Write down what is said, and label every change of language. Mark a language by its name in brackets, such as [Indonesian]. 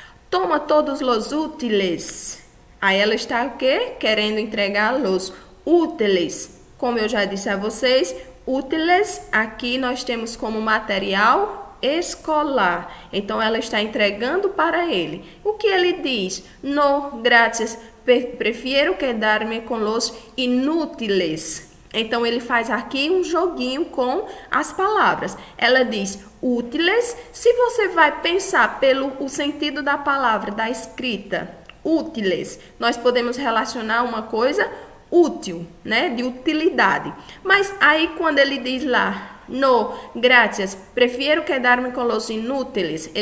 [Spanish] Toma todos los útiles. [Portuguese] Aí ela está o quê? Querendo entregar los útiles. Como eu já disse a vocês, útiles aqui nós temos como material escolar. Então ela está entregando para ele. O que ele diz? [Spanish] No, gracias. Prefiero quedarme con los inútiles. [Portuguese] Então ele faz aqui um joguinho com as palavras. Ela diz útiles. Se você vai pensar pelo o sentido da palavra, da escrita, útiles, nós podemos relacionar uma coisa útil, né? De utilidade. Mas aí quando ele diz lá, [Spanish] no, gracias, prefiero quedarme con los inútiles.